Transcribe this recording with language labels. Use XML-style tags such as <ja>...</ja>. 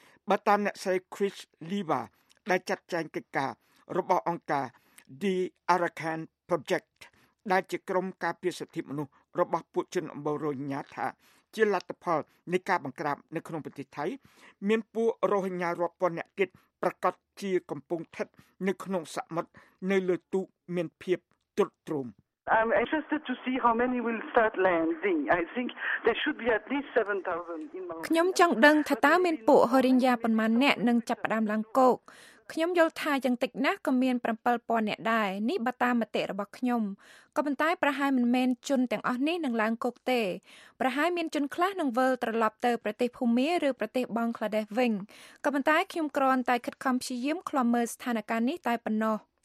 <km>បើតាមអ្នកស្រី Chris Liva ដែលចាត់ចែងកិច្ចការរបស់អង្គការ The Arakan Project ដែលជាក្រុមការពារសិទ្ធិមនុស្សរបស់ពួកជនអំបូររ៉ូហីងយ៉ាថាជាលទ្ធផលនៃការបង្ក្រាបនៅក្នុងប្រទេសថៃមានពួករ៉ូហីងយ៉ារាប់ពាន់នាក់ទៀតប្រកាសជាកំពុងស្ថិតនៅក្នុងសមុទ្រនៅលើទូកមានភាពទ្រុឌទ្រោម</km> <en>I'm interested to see how many will start landing. I think there should be at least 7,000 in Malaysia.</en> <km>ខ្ញុំចង់ដឹងថាតើមានពួករ៉ូហីងយ៉ាប៉ុន្មានអ្នកនឹងចាប់ផ្ដើមឡើងគោកខ្ញុំយល់ថាយ៉ាងតិចណាស់ក៏មាន 7,000 អ្នកដែរនេះបើតាមមតិរបស់ខ្ញុំក៏ប៉ុន្តែប្រហែលមិនមែនជនទាំងអស់នេះនឹងឡើងគោកទេប្រហែលមានជនខ្លះនឹងវិលត្រឡប់ទៅប្រទេសភូមាឬប្រទេសបង់ក្លាដេសវិញក៏ប៉ុន្តែខ្ញុំគ្រាន់តែខិតខំព្យាយាមឃ្លាំមើលស្ថានភាពនេះតែប៉ុណ្ណោះ</km>